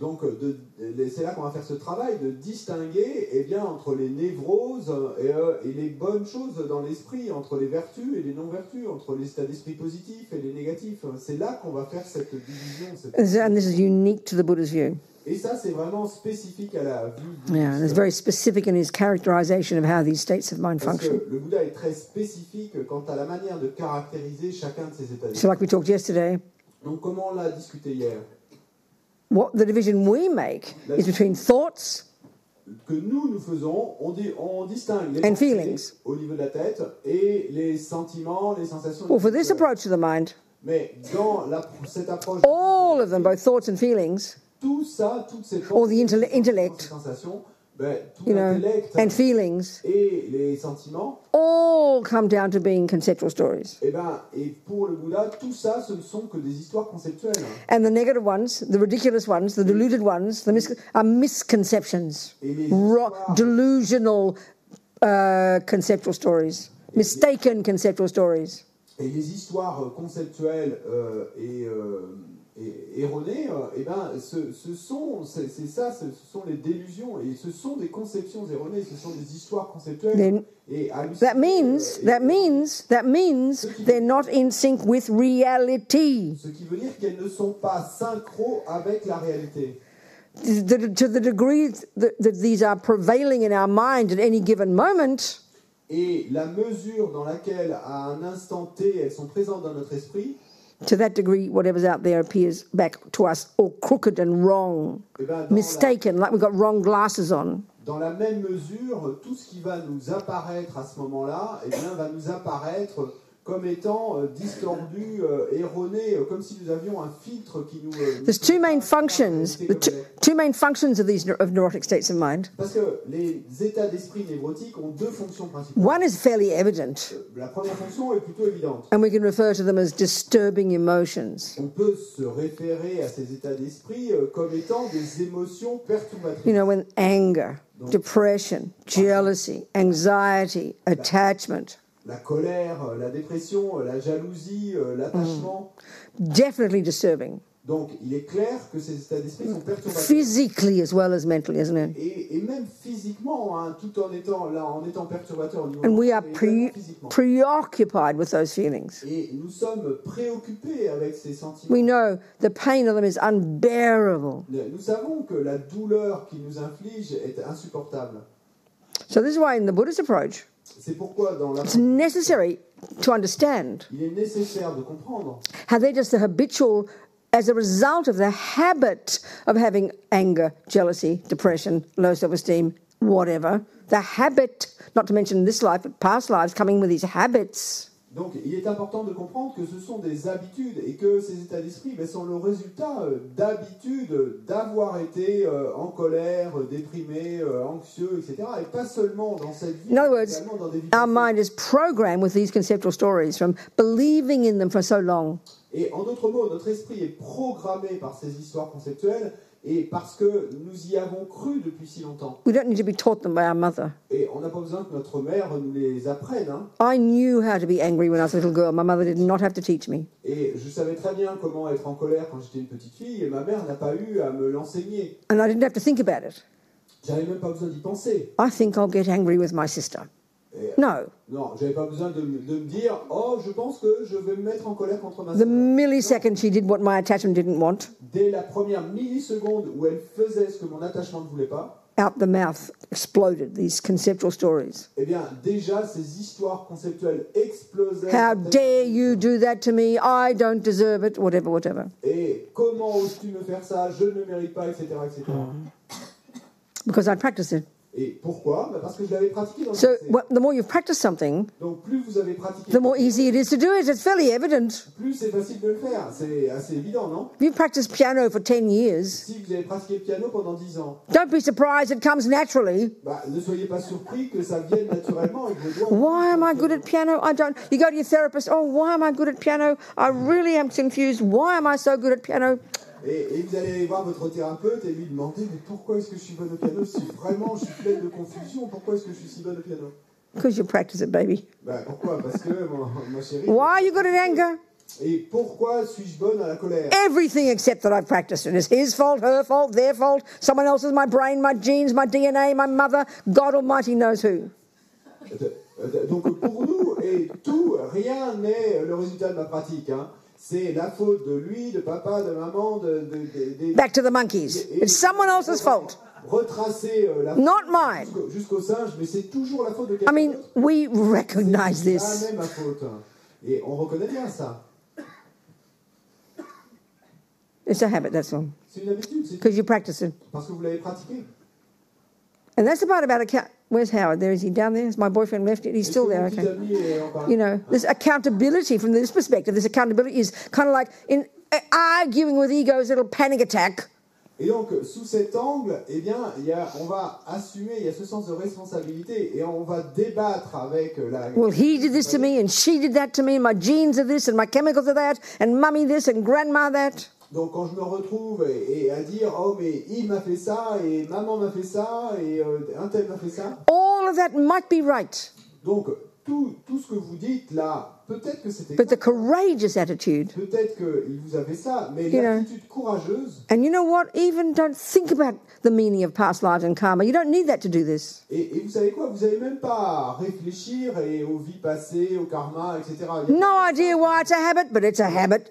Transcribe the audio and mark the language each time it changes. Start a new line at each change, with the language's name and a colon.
French: Donc, c'est là qu'on va faire ce travail de distinguer, eh bien, entre les névroses et les bonnes choses dans l'esprit, entre les vertus et les non-vertus, entre les états d'esprit positifs et les négatifs. C'est là qu'on va faire cette division.
English: And this is unique to the Buddha's view.
French: Et ça, c'est vraiment spécifique à la vie.
English: Yeah, it's very specific in his characterization of how these states of mind function.
French: Le Bouddha est très spécifique quant à la manière de caractériser chacun de ces états d'esprit.
English: So like we talked yesterday.
French: Donc comment on l'a discuté hier?
English: What the division we make is between thoughts
French: que nous faisons, on distingue les
English: and feelings
French: au niveau de la tête et les sentiments, les sensations.
English: Well, for this approach to the mind,
French: mais dans cette approche,
English: all of them, both thoughts and feelings.
French: Tout ça, toutes ces choses,
English: or the intellect, tout, you know, and feelings,
French: et les sentiments,
English: all come down to being conceptual stories.
French: Et pour le Bouddha, tout ça, ce ne sont que des histoires conceptuelles.
English: And the negative ones, the ridiculous ones, the deluded ones, the are misconceptions, delusional conceptual stories, mistaken conceptual stories.
French: Et les histoires conceptuelles et erronées, ce sont les délusions et ce sont des conceptions erronées, ce sont des histoires conceptuelles.
English: Then, that means they're not in sync with reality.
French: Ce qui veut dire qu'elles ne sont pas synchro avec la réalité.
English: To the degree that these are prevailing in our mind at any given moment.
French: Et la mesure dans laquelle à un instant T elles sont présentes dans notre esprit.
English: To that degree, whatever's out there appears back to us all crooked and wrong, mistaken, like we've got wrong glasses on.
French: Dans la même mesure, tout ce qui va nous apparaître à ce moment-là, eh bien, va nous apparaître comme étant distordu, erroné, comme si nous avions un filtre qui nous.
English: There's two main functions. The two main functions of these of neurotic states of mind.
French: Parce que les états d'esprit névrotiques ont deux fonctions principales.
English: One is fairly evident.
French: La première fonction est plutôt évidente.
English: And we can refer to them as disturbing emotions.
French: On peut se référer à ces états d'esprit comme étant des émotions perturbatrices.
English: You know, when anger, donc, depression, jealousy, anxiety, attachment.
French: La colère, la dépression, la jalousie, l'attachement. Mm.
English: Definitely disturbing.
French: Donc, il est clair que ces états d'esprit sont perturbateurs.
English: Physically as well as mentally, isn't it?
French: Et même physiquement, hein, tout en étant là, en étant perturbateur au niveau.
English: And we are preoccupied with those feelings.
French: Et nous sommes préoccupés avec ces sentiments.
English: We know the pain of them is unbearable.
French: Nous savons que la douleur qui nous inflige est insupportable.
English: So this is why in the Buddhist approach.
French: C'est pourquoi dans la.
English: It's necessary to understand.
French: Il est nécessaire de comprendre.
English: How they're just the habitual, as a result of the habit of having anger, jealousy, depression, low self-esteem, whatever. The habit, not to mention this life, but past lives, coming with these habits.
French: Donc, il est important de comprendre que ce sont des habitudes et que ces états d'esprit sont le résultat d'habitudes d'avoir été en colère, déprimé, anxieux, etc. Et pas seulement dans cette vie,
English: in other words,
French: mais également dans des vies.
English: Our mind is programmed with these conceptual stories from believing in them for so long.
French: Et en d'autres mots, notre esprit est programmé par ces histoires conceptuelles et parce que nous y avons cru depuis si longtemps.
English: We don't need to be taught them by our mother.
French: Et on n'a pas besoin que notre mère nous les apprenne. Hein.
English: I knew how to be angry when I was a little girl. My mother did not have to teach me.
French: Et je savais très bien comment être en colère quand j'étais une petite fille et ma mère n'a pas eu à me l'enseigner.
English: And I didn't have to think about it.
French: J'avais même pas besoin d'y penser.
English: I think I'll get angry with my sister.
French: Non, j'avais pas besoin de me dire, oh, je pense que je vais me mettre en colère contre ma sœur.
English: The millisecond she did what my attachment didn't want.
French: Dès la première milliseconde où elle faisait ce que mon attachement ne voulait pas.
English: Out the mouth exploded these conceptual stories.
French: Eh bien, déjà ces histoires conceptuelles explosaient.
English: How dare you do that to me? I don't deserve it. Whatever, whatever.
French: Et comment oses-tu me faire ça? Je ne mérite pas, etc., etc.
English: Because I practiced it.
French: Et pourquoi? Parce que je l'avais pratiqué dans le passé.
English: So, the more you've practiced something,
French: donc plus vous avez pratiqué,
English: the more easy it is to do it. It's fairly evident.
French: Plus c'est facile de le faire. C'est assez évident, non?
English: If you've practiced piano for 10 years,
French: si vous avez pratiqué le piano pendant 10 ans,
English: don't be surprised, it comes naturally.
French: Bah, ne soyez pas surpris que ça vienne naturellement. Et que
English: why am I good at piano? I don't. You go to your therapist, oh, why am I good at piano? I really am confused. Why am I so good at piano?
French: Et vous allez aller voir votre thérapeute et lui demander mais pourquoi est-ce que je suis bonne au piano si vraiment je suis pleine de confusion, pourquoi est-ce que je suis si bonne au piano?
English: Because you practice it, baby.
French: Ben, pourquoi? Parce que ma chérie.
English: Why are you good at anger?
French: Et pourquoi suis-je bonne à la colère?
English: Everything except that I've practiced it is his fault, her fault, their fault, someone else's, my brain, my genes, my DNA, my mother, God Almighty knows who.
French: Donc pour nous et tout, rien n'est le résultat de ma pratique, hein. C'est la faute de lui, de papa, de maman, de
English: back to the monkeys. It's someone else's fault.
French: Retracer la
English: faute. Not mine.
French: Jusqu'au singe, mais c'est toujours la faute de quelqu'un.
English: I mean, we recognize this.
French: C'est jamais ma faute. Et on reconnaît bien ça.
English: It's a habit, that's all.
French: C'est une habitude.
English: Because you practice it.
French: Parce que vous l'avez pratiqué.
English: And that's the part about where's Howard? There is he down there? Is my boyfriend left it? He's still there, okay. You know, this accountability from this perspective, this accountability is kind of like in arguing with ego's little panic attack.
French: Et donc, sous cet angle, eh bien, on va assumer, il y a ce sens de responsabilité et on va débattre avec la...
English: Well, he did this to me and she did that to me and my genes are this and my chemicals are that and mummy this and grandma that.
French: Donc quand je me retrouve et à dire oh mais il m'a fait ça et maman m'a fait ça et un tel m'a fait ça.
English: All of that might be right.
French: Donc tout ce que vous dites là, peut-être que c'était.
English: But the courageous attitude.
French: Peut-être que il vous a fait ça, mais l'attitude courageuse.
English: And you know what? Even don't think about the meaning of past lives and karma. You don't need that to do this.
French: Et vous savez quoi? Vous n'avez même pas à réfléchir et aux vies passées, au karma, etc.
English: No idea why it's a habit, but it's a habit.